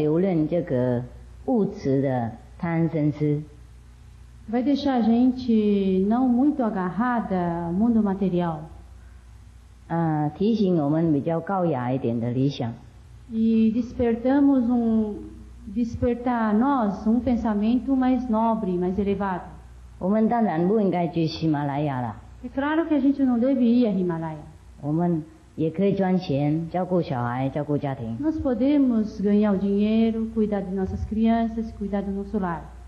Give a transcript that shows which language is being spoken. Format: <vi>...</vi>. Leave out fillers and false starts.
<zh>会让我们不太留恋这个物质的贪嗔痴.</zh> <pt>Vai deixar a gente não muito agarrada ao mundo material.</pt> <zh>提醒我们比较高雅一点的理想.</zh> <pt>E despertamos despertar nós pensamento mais nobre, mais elevado.</pt> <zh>我们当然不应该去喜马拉雅啦.</zh> <pt>É claro que a gente não deve ir a Himalaia.</pt> <zh>我们也可以赚钱，照顾小孩，照顾家庭.</zh> <pt>Nós podemos ganhar o dinheiro, cuidar de nossas crianças, cuidar do nosso lar.</pt>